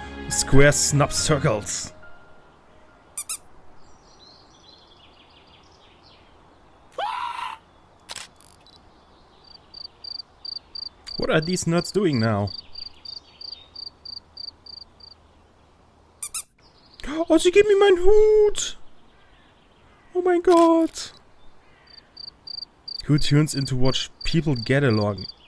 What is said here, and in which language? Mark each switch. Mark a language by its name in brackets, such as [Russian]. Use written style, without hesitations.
[English] Square snub circles. What are these nerds doing now? [German] Oh, sie geben mir meinen Hut! Oh mein Gott! [English] Who tunes in to watch people get along?